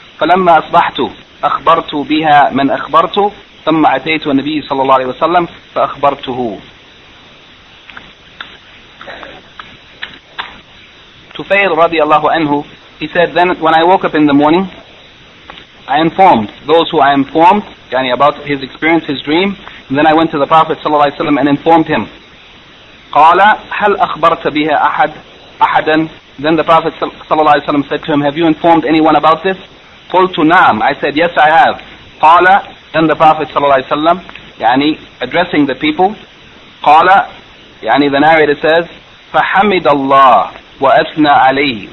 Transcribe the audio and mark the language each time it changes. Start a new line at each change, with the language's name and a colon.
Arabic: فلما أصبحت أخبرت بها من أخبرت ثم أتيت النبي صلى الله عليه وسلم فأخبرته.
English: Tufail
Arabic: رضي الله عنه,
English: he said, then when I woke up in the morning, I informed those who I informed, يعني about his experience, his dream, and then I went to the Prophet
Arabic: صلى الله عليه وسلم
English: and informed him.
Arabic: قال هل أخبرت بها أحد أحدا.
English: Then the Prophet
Arabic: صلى الله عليه وسلم
English: said to him, have you informed anyone about this?
Arabic: قلت نعم,
English: I said, yes I have. قال, then the Prophet
Arabic: صلى الله عليه وسلم,
English: يعني addressing the people, قال, يعني the narrator says,
Arabic: فحمد الله وأثنى عليه.